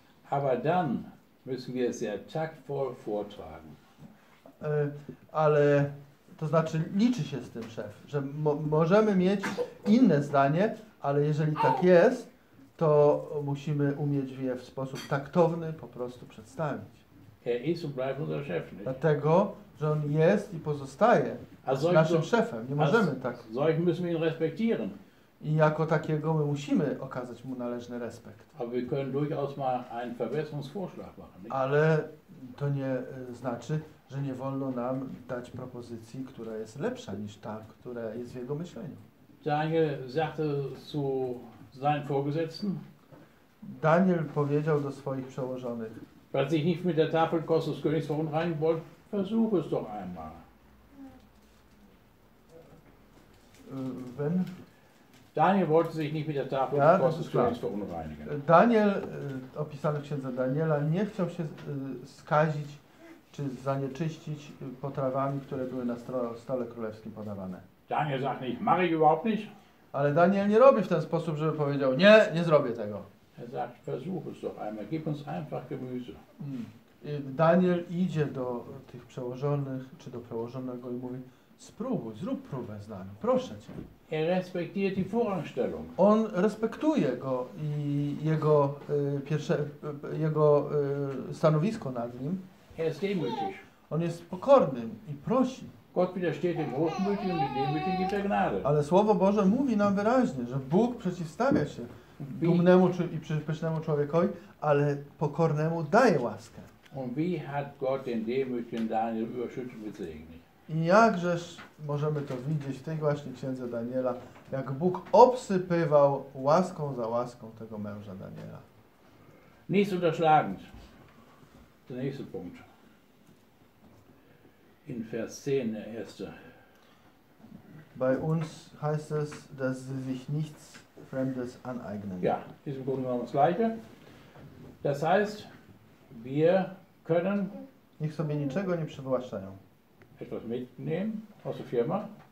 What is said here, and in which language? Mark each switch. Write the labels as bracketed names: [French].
[German] Aber dann müssen wir sehr taktvoll vortragen. [Polish] Ale to znaczy liczy się z tym szef, że możemy mieć inne zdanie, ale jeżeli tak jest, to musimy umieć je w sposób taktowny po prostu przedstawić. [German] Er ist und bleibt unser Chef, nicht? [Polish] Dlatego, że on jest i pozostaje naszym szefem. Nie możemy tak. [German] Solchen müssen wir ihn respektieren. [Polish] I jako takiego my musimy okazać mu należny respekt. [German] Aber wir können durchaus mal einen Verbesserungsvorschlag machen, nicht? [Polish] Ale to nie znaczy, że nie wolno nam dać propozycji, która jest lepsza niż ta, która jest w jego myśleniu. [German] Daniel sagte zu seinen Vorgesetzten. [Polish] Daniel powiedział do swoich przełożonych. [German] Falls ich nicht mit der Tafelkost des Königs verunreinigen wollte, versuch es doch einmal. Wenn Daniel wollte sich nicht mit der Tafel des Königs verunreinigen. [Polish] Daniel, opisany w księdze Daniela, nie chciał się skazić czy zanieczyścić potrawami, które były na stole królewskim podawane. [German] Daniel sagt nicht, mache ich überhaupt nicht. [Polish] Ale Daniel nie robi w ten sposób, żeby powiedział, nie, nie zrobię tego. [German] Er sagt, versuch es doch einmal, gib uns einfach Gemüse. [Polish] Daniel idzie do tych przełożonych, czy do przełożonego i mówi, spróbuj, zrób próbę z nami, proszę cię. [German] Er respektiert die Vorrangstellung. [Polish] On respektuje go i jego, pierwsze, jego stanowisko nad nim. [German] Er ist demütig. [Polish] On jest pokornym i prosi. [German] Gott widersteht dem Hochmütigen, dem Demütigen gibt er Gnade. [Polish] Ale Słowo Boże mówi nam wyraźnie, że Bóg przeciwstawia się dumnemu i pysznemu człowiekowi, ale pokornemu daje łaskę. [German] Und wie hat Gott den Demütigen Daniel überschüttet mit Segen? [Polish] I jakżeż możemy to widzieć w tej właśnie księdze Daniela, jak Bóg obsypywał łaską za łaską tego męża Daniela. [German] Nichts unterschlagend. Der nächste Punkt. In Vers 10, der erste. Bei uns heißt es, dass sie sich nichts Fremdes aneignen. Ja, diesem Grund war das Gleiche. Das heißt, wir können. [Polish] Niech sobie niczego nie przywłaszczają. [German] Etwas mitnehmen aus der Firma.